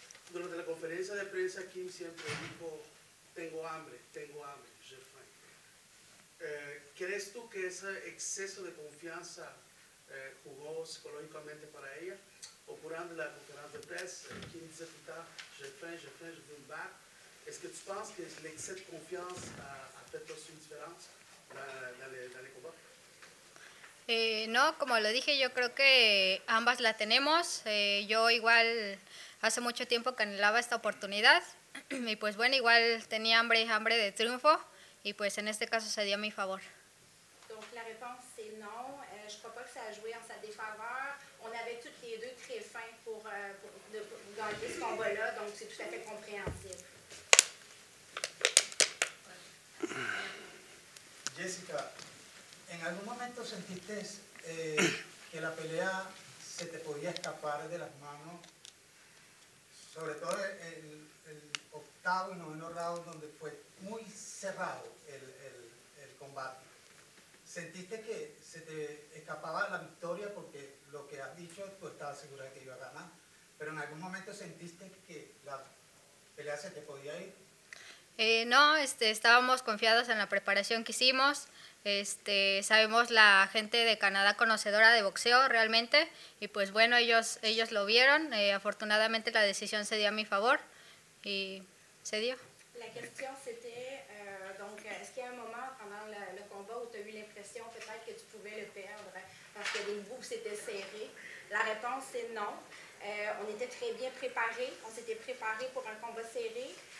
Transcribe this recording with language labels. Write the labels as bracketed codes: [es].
[es] Durante la conferencia de prensa, Kim siempre dijo, tengo hambre, [fr] j'ai faim. [es] ¿Crees tú que ese exceso de confianza jugó psicológicamente para ella? [fr] au courant de la conférence de presse, qui me disait tout le temps, j'ai faim, je veux me battre. Est-ce que tu penses que l'excès de confiance a peut-être aussi une différence dans les combats? [es] No, como lo dije, yo creo que ambas la tenemos. Yo igual hace mucho tiempo que anhelaba esta oportunidad y pues bueno, igual tenía hambre de triunfo y pues en este caso se dio a mi favor. Entonces la respuesta es no, [fr] je crois pas que ça a joué en sa défaveur. On avait toutes les deux très faim pour gagner ce combat-là, donc c'est tout à fait compréhensible. [es] Jessica, ¿en algún momento sentiste que la pelea se te podía escapar de las manos? Sobre todo el octavo y noveno round, donde fue muy cerrado el combate. ¿Sentiste que se te escapaba la victoria? Porque lo que has dicho, tú estabas segura que iba a ganar. ¿Pero en algún momento sentiste que la pelea se te podía ir? No, estábamos confiados en la preparación que hicimos. Sabemos la gente de Canadá conocedora de boxeo realmente y pues bueno, ellos lo vieron, afortunadamente la decisión se dio a mi favor y se dio. La cuestión [fr] c'était donc est-ce qu'il y a un moment pendant le combat où tu as eu l'impression peut-être que tu pouvais le perdre parce que les bouts c'était serré? La réponse est non. On était très bien préparés, on s'était préparé pour un combat serré.